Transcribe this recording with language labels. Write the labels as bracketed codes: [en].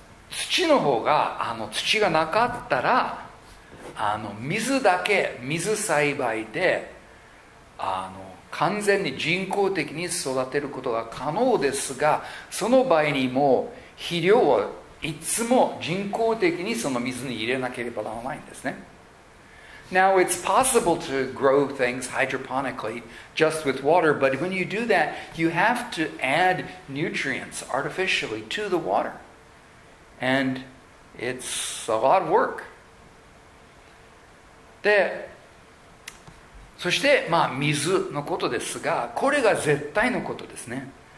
[ja] 土の方が土がなかったら水だけ水栽培で完全に人工的に育てることが可能ですがその場合にも肥料をいつも人工的にその水に入れなければならないんですね。 [en] Now it's possible to grow things hydroponically just with water, but when you do that, you have to add nutrients artificially to the waterAnd it's a lot of work. [ja] で、そして、水のことですが、これが絶対のことですね。